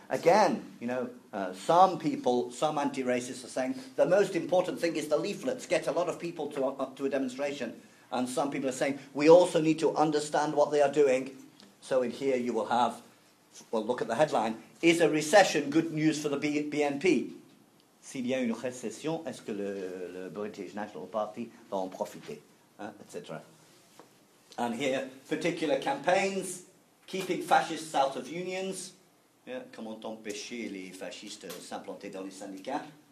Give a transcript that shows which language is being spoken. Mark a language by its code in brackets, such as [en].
[en] Again, you know, some people, some anti-racists are saying the most important thing is the leaflets, get a lot of people to a demonstration. And some people are saying we also need to understand what they are doing. So in here you will have, well, look at the headline, is a recession good news for the BNP? [fr] S'il y a une récession, est-ce que le British National Party va en profiter? Etc. [en] And here, particular campaigns, keeping fascists out of unions. [fr] Yeah, comment empêcher les fascistes de s'implanter dans les syndicats?